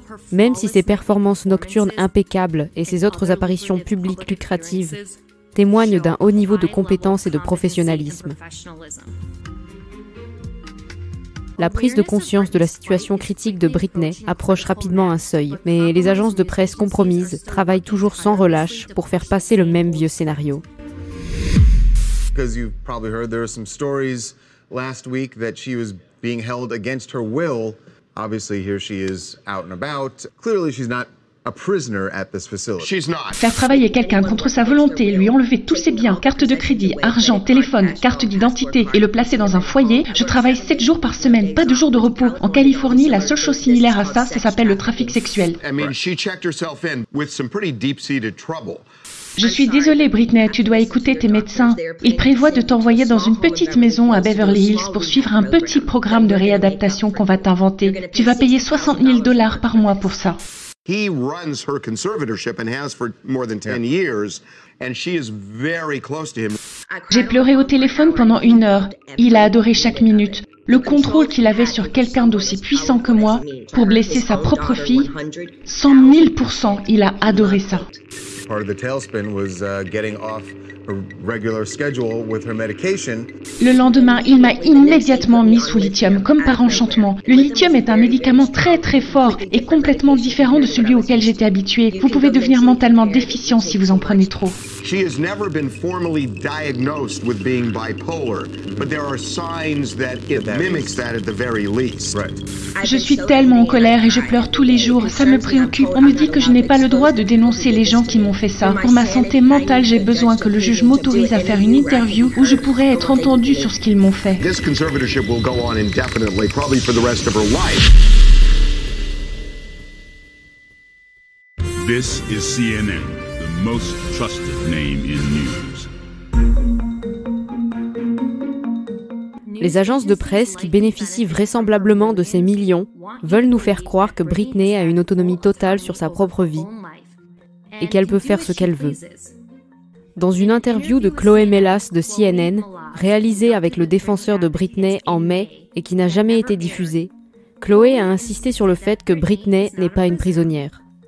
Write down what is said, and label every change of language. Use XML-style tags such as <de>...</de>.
<fr>Même si ses performances nocturnes impeccables et ses autres apparitions publiques lucratives témoignent d'un haut niveau de compétence et de professionnalisme. La prise de conscience de la situation critique de Britney approche rapidement un seuil, mais les agences de presse compromises travaillent toujours sans relâche pour faire passer le même vieux scénario.</fr> <en>Because you've probably heard there were some stories last week that she was being held against her will. Obviously, here she is out and about. Clearly, she's not a prisoner at this facility. She's not.</en> <fr>Faire travailler quelqu'un contre sa volonté, lui enlever tous ses biens, cartes de crédit, argent, téléphone, carte d'identité et le placer dans un foyer, je travaille 7 jours par semaine, pas de jour de repos. En Californie, la seule chose similaire à ça, ça s'appelle le trafic sexuel.</fr> <en>I mean, she checked herself in with some pretty deep-seated trouble.</en> <fr>Je suis désolée, Britney, tu dois écouter tes médecins. Ils prévoient de t'envoyer dans une petite maison à Beverly Hills pour suivre un petit programme de réadaptation qu'on va t'inventer. Tu vas payer 60 000 dollars par mois pour ça.</fr> <en>He runs her conservatorship and has for more than 10 years, and she is very close to him.</en> <fr>J'ai pleuré au téléphone pendant une heure. Il a adoré chaque minute. Le contrôle qu'il avait sur quelqu'un d'aussi puissant que moi pour blesser sa propre fille, 100 000%, il a adoré ça.</fr> <en>Part of the tailspin was getting off a regular schedule with her medication.</en> <fr>Le lendemain, il m'a immédiatement mis sous lithium, comme par enchantement. Le lithium est un médicament très très fort et complètement différent de celui auquel j'étais habituée. Vous pouvez devenir mentalement déficient si vous en prenez trop.</fr> <en>She has never been formally diagnosed with being bipolar, but there are signs that it mimics that at the very least. Right.</en> <fr>Je suis tellement en colère et je pleure tous les jours. Ça me préoccupe. On me dit que je n'ai pas le droit de dénoncer les gens qui m'ont fait ça. Pour ma santé mentale, j'ai besoin que le juge m'autorise à faire une interview où je pourrai être entendue sur ce qu'ils m'ont fait.</fr> <en>This conservatorship will go on indefinitely, probably for the rest of her life. This is CNN, the most trusted name in news.</en> <fr>Les agences de presse qui bénéficient vraisemblablement de ces millions veulent nous faire croire que Britney a une autonomie totale sur sa propre vie et qu'elle peut faire ce qu'elle veut. Dans une interview de Chloé Mellas de CNN, réalisée avec le défenseur de Britney en mai et qui n'a jamais été diffusée, Chloé a insisté sur le fait que Britney n'est pas une prisonnière.</fr>